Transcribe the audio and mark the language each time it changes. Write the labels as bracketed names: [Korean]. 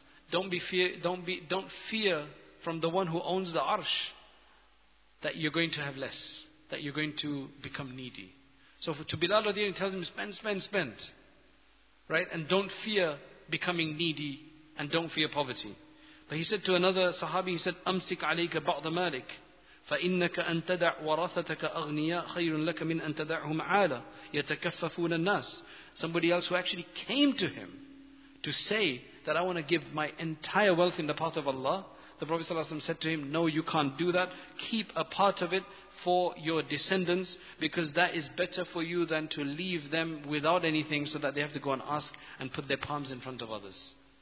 [English] Don't fear from the one who owns the arsh, that you're going to have less, that you're going to become needy. So to Bilal radiallahu anhu, tells him, spend. Right? And don't fear becoming needy, and don't fear poverty. But he said to another sahabi, he said, [Arabic] Amsik alayka ba'd malik, فإنك أن تدع ورثتك أغنياء خير لك من أن تدعهم عالا يتكففون الناس. [English] Somebody else who actually came to him to say that I want to give my entire wealth in the path of Allah, the Prophet ﷺ said to him, no, you can't do that. Keep a part of it for your descendants, because that is better for you than to leave them without anything so that they have to go and ask and put their palms in front of others.